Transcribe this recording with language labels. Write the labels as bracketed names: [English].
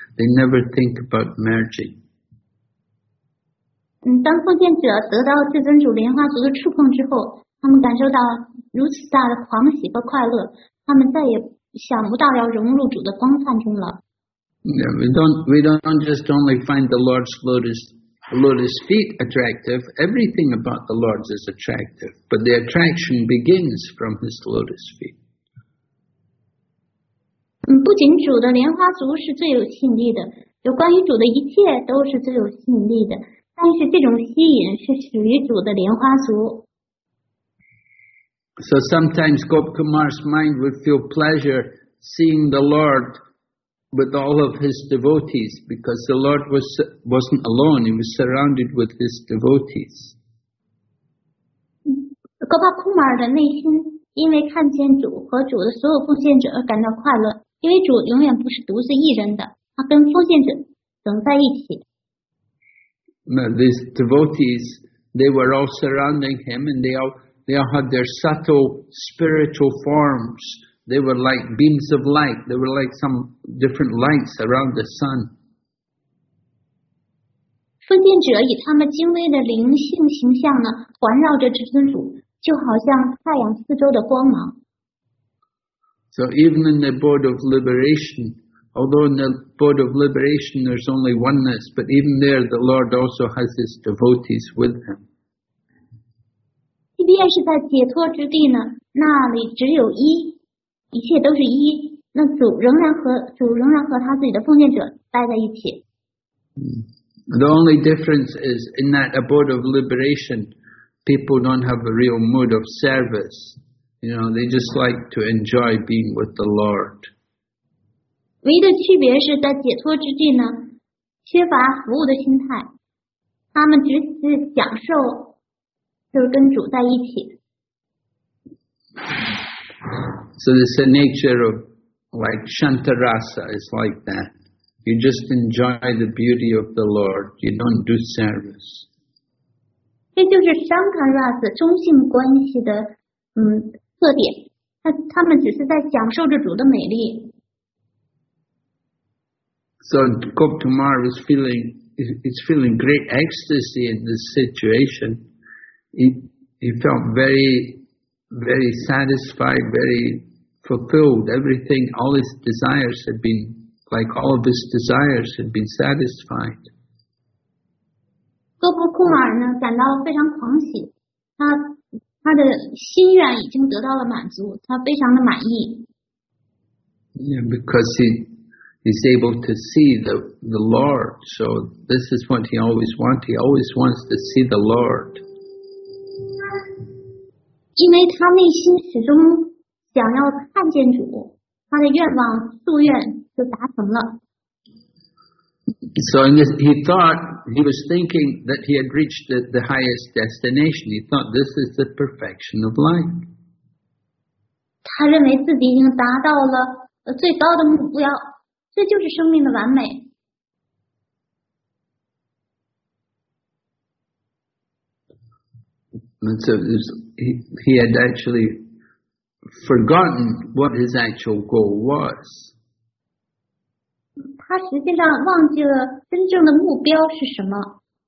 [English] They never think about merging. [Chinese] 当奉献者得到至尊主莲花足的触碰之后，他们感受到如此大的狂喜和快乐，他们再也想不到要融入主的光灿中了。 [English] Yeah, we don't just only find the Lord's lotus feet attractive. Everything about the Lord is attractive, but the attraction begins from His lotus feet. [Chinese] 不仅主的莲花足是最有吸引力的，有关于主的一切都是最有吸引力的。但是这种吸引是属于主的莲花足。 [English] So sometimes Gop Kumar's mind would feel pleasure seeing the Lord with all of his devotees, because the Lord wasn't alone, he was surrounded with his devotees. [Chinese] Gopa Kumar 的内心因为看见主和主的所有奉献者而感到快乐，因为主永远不是独自一人的，他跟奉献者等在一起。 [English] Now, these devotees, they were all surrounding him, and they all had their subtle spiritual forms. They were like beams of light. They were like some different lights around the sun. [Chinese] 奉献者以他们精微的灵性形象呢，环绕着至尊主，就好像太阳四周的光芒。 [English] So even in the abode of liberation, although in the abode of liberation there's only oneness, but even there the Lord also has his devotees with him. [Chinese] 即便是在解脱之地呢，那里只有一，一切都是一，那主仍然和他自己的奉献者待在一起。 [English] The only difference is in that abode of liberation, people don't have a real mood of service. You know, they just like to enjoy being with the Lord. [Chinese] 唯一的区别是在解脱之地呢，缺乏服务的心态，他们只是享受，就是跟主在一起。 [English] So this nature of like Shantarasa is like that. You just enjoy the beauty of the Lord. You don't do service. [Chinese] 这就是 Shantarasa 中性关系的特点。他们只是在享受着主的美丽。 [English] So Gop Kumar is feeling great ecstasy in this situation. He felt very satisfied, very fulfilled. Everything, all his desires had been, like all of his desires had been satisfied. [Chinese] Gopa Kumar 呢感到非常狂喜，他的心愿已经得到了满足，他非常的满意。 [English] Yeah, because he's able to see the Lord. So this is what he always wants. He always wants to see the Lord. [Chinese] 因为他内心始终想要看见主，他的愿望夙愿就达成了。 [English] So in this, he thought he was thinking that he had reached the highest destination. He thought this is the perfection of life. [Chinese] 他认为自己已经达到了最高的目标，这就是生命的完美。 [English] And so he had actually forgotten what his actual goal was. [Chinese] 他实际上忘记了真正的目标是什么。